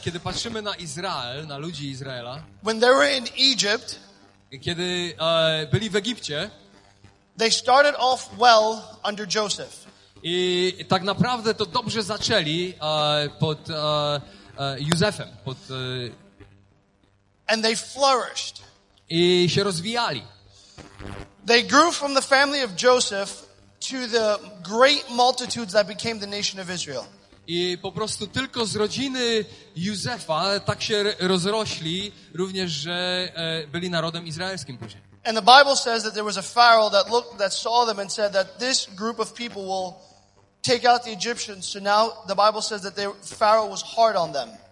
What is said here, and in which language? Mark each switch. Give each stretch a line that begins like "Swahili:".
Polish: kiedy patrzymy na Izrael, na ludzi Izraela,
English: when they were in Egypt,
Polish: kiedy byli w Egipcie,
English: they started off well under Joseph.
Polish: I tak naprawdę to dobrze zaczęli pod Józefem, pod
English: and they flourished.
Polish: I się rozwijali.
English: They grew from the family of Joseph to the great multitudes that became the nation of Israel.
Polish: I po prostu tylko z rodziny Józefa tak się rozrośli również, że byli narodem izraelskim później.
English: And the Bible says that there was a Pharaoh that looked, that saw them and said that this group of people will take out the Egyptians. So now the Bible says that Pharaoh was hard on them.